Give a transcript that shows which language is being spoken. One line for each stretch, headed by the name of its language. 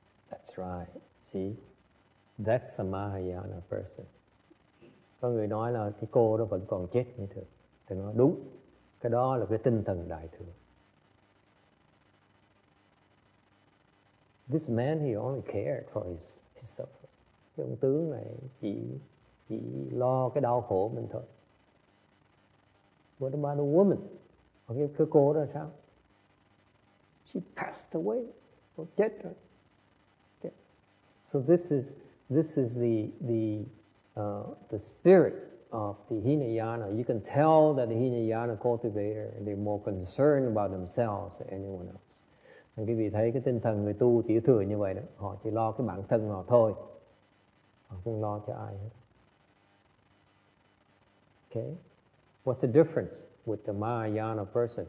English: That's right. See, that's a Mahayana person.
Vietnamese: Có người nói là cái cô đó vẫn còn chết như thường. Thì nói đúng. Cái đó là cái tinh thần đại thừa.
English: This man, he only cared for his suffering.
Vietnamese: Cái ông tướng này chỉ lo cái đau khổ mình thôi.
English: What about a woman?
Vietnamese: Cái cô đó sao?
English: She passed away.
Vietnamese: Cô chết rồi.
English: So this is the spirit of the Hinayana. You can tell that the Hinayana cultivator, they're more concerned about themselves than anyone else.
Vietnamese: Nên quý vị thấy cái tinh thần người tu tiểu thừa như vậy đó, họ chỉ lo cái bản thân họ thôi, họ không lo cho ai hết.
English: Okay, what's the difference with the Mahayana person?